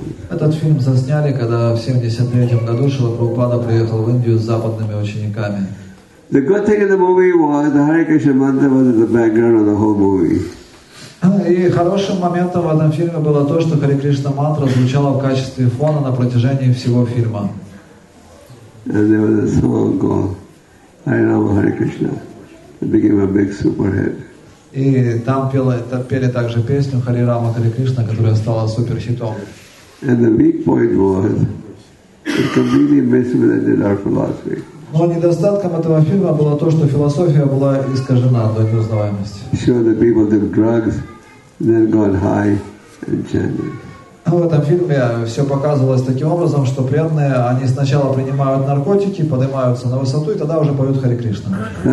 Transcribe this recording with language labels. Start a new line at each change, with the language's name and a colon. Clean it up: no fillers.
Russian: Этот фильм засняли, когда в 73-м году Шрила Прабхупада приехал в Индию с западными учениками.
English: The good thing in the movie was the Hare Krishna mantra was in the background of the whole movie.
Russian: И хорошим моментом в этом фильме было то, что Харе Кришна мантра звучала в качестве фона на протяжении всего фильма.
English: And there was a song called Hare Rama Hare Krishna. It became a big super hit.
Russian: И там пели также песню Хари Рама Хари Кришна, которая стала суперхитом.
English: And the weak point was it completely misrepresented our philosophy.
Russian: Но недостатком этого фильма было то, что философия была искажена до неузнаваемости.
English: Sure, the people took drugs, then got high and chanted.
Russian: В этом фильме все показывалось таким образом, что преданные, они сначала принимают наркотики, поднимаются на высоту и тогда уже поют Хари Кришна.